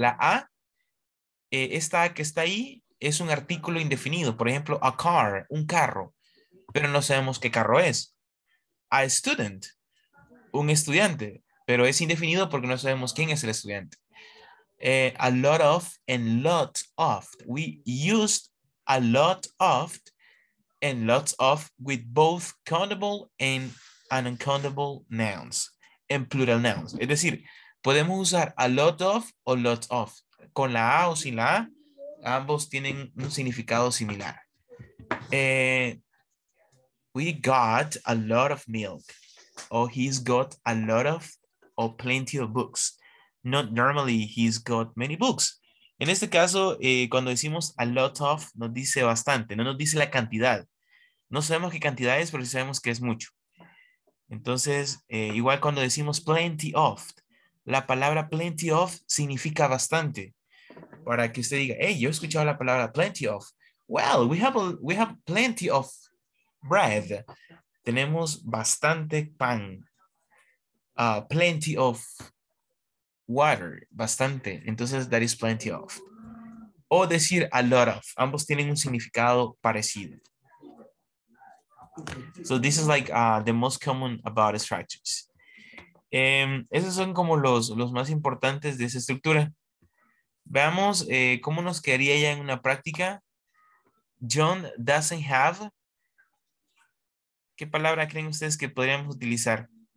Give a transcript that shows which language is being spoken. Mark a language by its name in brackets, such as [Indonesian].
[Spanish] La A, esta A que está ahí, es un artículo indefinido. Por ejemplo, a car, un carro. Pero no sabemos qué carro es. A student. Un estudiante, pero es indefinido porque no sabemos quién es el estudiante. [English] A lot of and lots of. We used a lot of and lots of with both countable and uncountable nouns and plural nouns. [Spanish] Es decir, podemos usar a lot of o lots of. Con la A o sin la A, ambos tienen un significado similar. [English] We got a lot of milk. Or he's got a lot of or plenty of books. [Spanish] Not normally he's got many books. En este caso, cuando decimos a lot of, nos dice bastante, no nos dice la cantidad. No sabemos qué cantidad es, pero sí sabemos que es mucho. Entonces, igual cuando decimos plenty of, la palabra plenty of significa bastante. Para que usted diga, hey, yo he escuchado la palabra plenty of. Well, we have plenty of bread. Tenemos bastante pan, plenty of water, bastante. [English] Entonces, that is plenty of. O decir a lot of. [Spanish] Ambos tienen un significado parecido. [English] So, this is like the most common about structures. [Spanish] Esos son como los más importantes de esa estructura. Veamos cómo nos quedaría ya en una práctica. John doesn't have... ¿Qué palabra creen ustedes que podríamos utilizar?